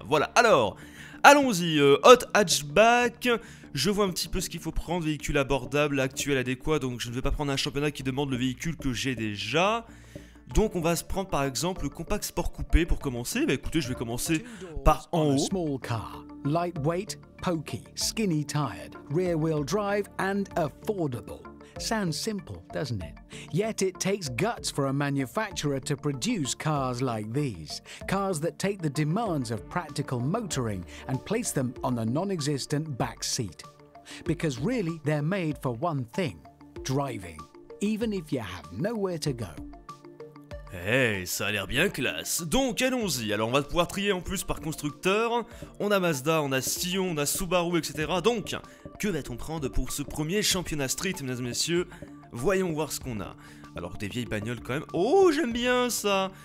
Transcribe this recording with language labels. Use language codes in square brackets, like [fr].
[fr] Voilà, alors, allons-y, hot hatchback, je vois un petit peu ce qu'il faut prendre, véhicule abordable, actuel, adéquat, donc je ne vais pas prendre un championnat qui demande le véhicule que j'ai déjà. Donc on va se prendre par exemple le compact sport coupé pour commencer. Bah écoutez, je vais commencer par en haut. [en] Small car, lightweight, pokey, skinny tired, rear wheel drive and affordable. Sounds simple, doesn't it? Yet it takes guts for a manufacturer to produce cars like these. Cars that take the demands of practical motoring and place them on the non-existent back seat. Because really they're made for one thing, driving, even if you have nowhere to go. [fr] Hey, ça a l'air bien classe. Donc, allons-y. Alors, on va pouvoir trier en plus par constructeur. On a Mazda, on a Scion, on a Subaru, etc. Donc, que va-t-on prendre pour ce premier championnat street, mesdames et messieurs? Voyons voir ce qu'on a. Alors, des vieilles bagnoles quand même. Oh, j'aime bien ça.